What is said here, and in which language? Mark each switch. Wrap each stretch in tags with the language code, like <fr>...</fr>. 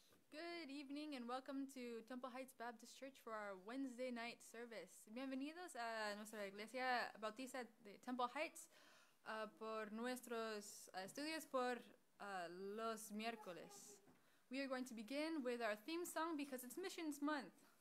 <en>Good evening and welcome to Temple Heights Baptist Church for our Wednesday night service.</en> <es>Bienvenidos a nuestra iglesia bautista de Temple Heights por nuestros estudios por los miércoles.</es> <en>We are going to begin with our theme song because it's Missions Month.</en>